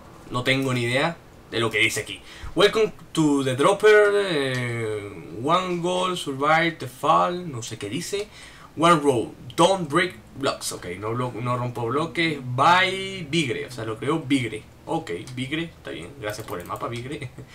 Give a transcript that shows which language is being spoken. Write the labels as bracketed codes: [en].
[es] No tengo ni idea de lo que dice aquí. [en] Welcome to the Dropper. One goal, survive the fall. No sé qué dice. One row, don't break blocks. [es] Ok, no rompo bloques. By Bigre, o sea, lo creo Bigre. Ok, Bigre, está bien, gracias por el mapa, Bigre.